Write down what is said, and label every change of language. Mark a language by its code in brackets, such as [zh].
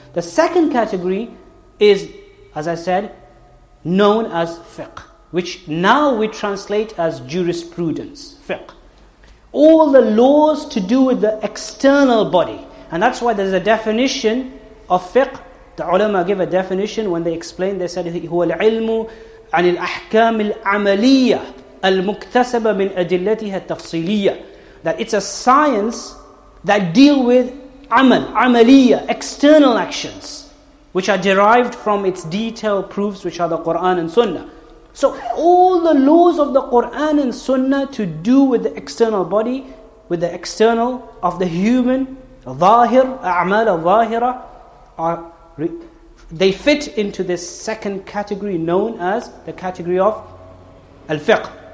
[en] The second category is, as I said, known as fiqh, which now we translate as jurisprudence, fiqh. All the laws to do with the external body. And that's why there's a definition of fiqh. The ulama give a definition when they explain. [ar] They said, هو العلم عن الأحكام العملية المكتسبة من أدلتها التفصيلية. [en] That it's a science that deal with amal, amaliyah, external actions, which are derived from its detailed proofs, which are the Qur'an and Sunnah. So all the laws of the Qur'an and Sunnah to do with the external body, with the external of the human, [ar] ظاهر, أعمال ظاهرة, [en] they fit into this second category known as the category of al-fiqh.